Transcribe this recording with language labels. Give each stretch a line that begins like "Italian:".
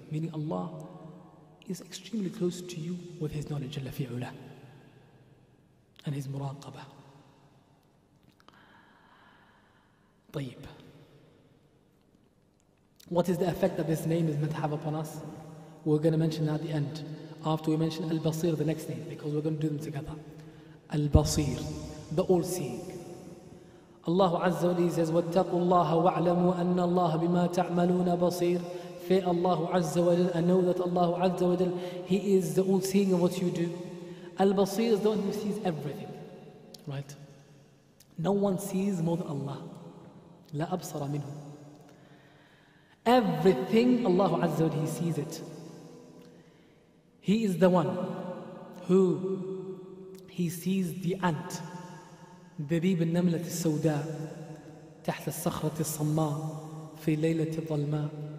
English: Meaning Allah is extremely close to you with his knowledge,
Arabic: جَلَّ فِي عُلَى,
English: and his muraqabah.
Arabic: طيب.
English: What is the effect that this name is meant to have upon us? We're going to mention that at the end. After we mention Al-Basir, the next name, because we're going to do them together. Al-Basir, the all-seeing. Allah Azza wa Jalla says,
Arabic: وَاتَّقُوا اللَّهَ وَاعْلَمُوا أَنَّ اللَّهَ بِمَا تَعْمَلُونَ بَصِيرٌ.
English: Fear Allah Azza wa Jalla, and know that Allah Azza wa Jalla, he is the all-seeing of what you do. Al-Basir is the one who sees everything. Right? No one sees more than Allah.
Arabic: لَا أَبْصَرَ مِنْهُ.
English: Everything, Allah Azza wa Jalla, he sees it. He is the one who, he sees the ant,
Arabic: دبيب النملة السوداء تحت الصخرة الصماء في ليلة الظلماء.